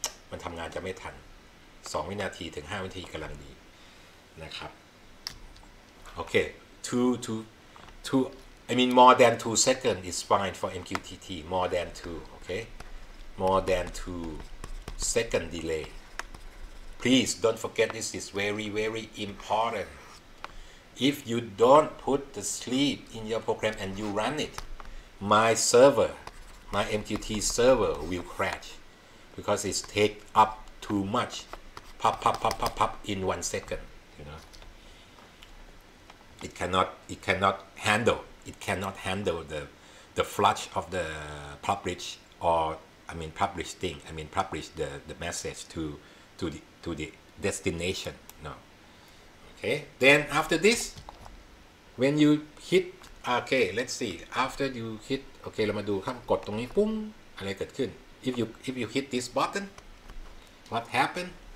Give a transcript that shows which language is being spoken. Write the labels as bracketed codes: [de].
[th] มันทำงานจะไม่ทัน2วินาทีถึง5วินาทีกำลังดีนะครับ [en] โอเค2 I mean more than 2 second is fine for MQTT more than 2 okay more than 2 second delayPlease don't forget this is very very important. If you don't put the sleep in your program and you run it, my server, my MQTT server will crash because it take up too much, pop in 1 second. You know, it cannot handle the flush of the publish or I mean publish thing. I mean publish the message to the destination. No. Okay. Then after this, when you hit, okay, let's see. After you hit, okay, [th] เรามาดูครับกดตรงนี้ปุ้งอะไรเกิดขึ้น [en] If you hit this button, what happened?